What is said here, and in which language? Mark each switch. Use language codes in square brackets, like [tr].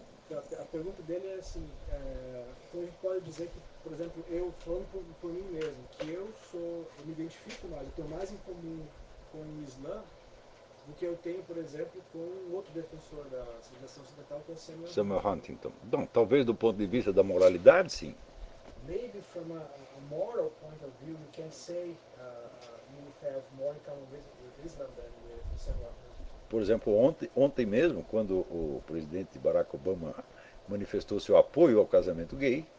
[pt] A pergunta dele é assim, como a gente pode dizer que, por exemplo, eu falando por mim mesmo, que eu me identifico mais, eu tenho mais em comum com o Islã do que eu tenho, por exemplo, com outro defensor da civilização ocidental, que é o Samuel Huntington. Bom, talvez do ponto de vista da moralidade, sim. [en] Maybe from a moral point of view, you can say you have more in common with Islam than with Samuel Huntington. [pt] Por exemplo, ontem mesmo, quando o presidente Barack Obama manifestou seu apoio ao casamento gay,